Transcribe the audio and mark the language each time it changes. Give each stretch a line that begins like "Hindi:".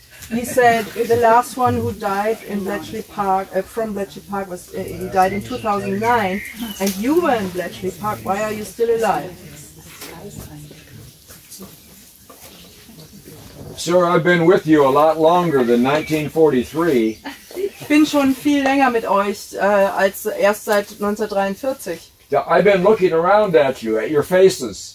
English: He said the last one who died in Bletchley Park from Bletchley Park was he died in 2009 and you were in Bletchley Park. Why are you still alive? Sir, I've been with you a lot longer than 1943.
German: Ich bin schon viel länger mit euch als erst seit 1943.
English: Yeah, I've been looking around at you, at your faces.